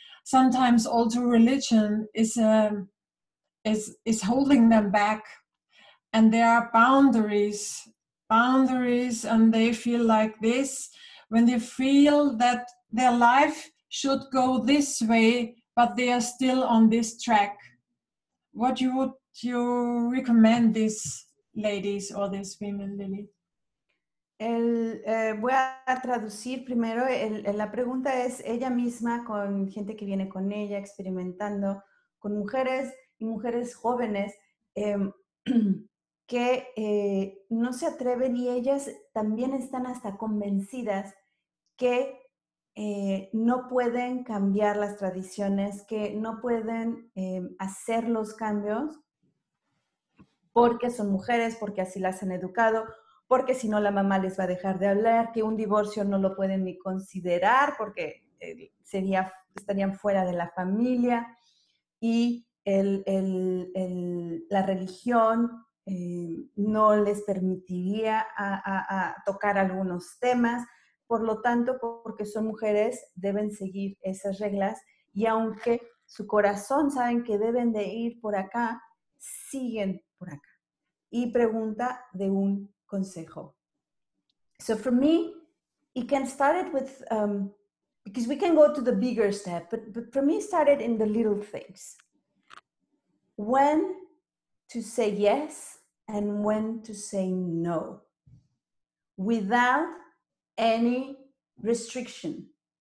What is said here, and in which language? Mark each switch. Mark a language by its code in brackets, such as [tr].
[en] Sometimes also religion is holding them back, and there are boundaries, and they feel like this when they feel that their life should go this way, but they are still on this track. What would you recommend these ladies or these women, Lily? [es] Voy a traducir primero, la pregunta es ella misma con gente que viene con ella experimentando, con mujeres y mujeres jóvenes que no se atreven y ellas también están hasta convencidas que no pueden cambiar las tradiciones, que no pueden hacer los cambios porque son mujeres, porque así las han educado, porque si no la mamá les va a dejar de hablar, que un divorcio no lo pueden ni considerar porque estarían fuera de la familia y la religión no les permitiría a tocar algunos temas. Por lo tanto, porque son mujeres, deben seguir esas reglas. Y aunque su corazón saben que deben de ir por acá, siguen por acá. Y pregunta de un consejo. [en] So for me, it can started with, because we can go to the bigger step, but for me it started in the little things. When to say yes and when to say no, without any restriction.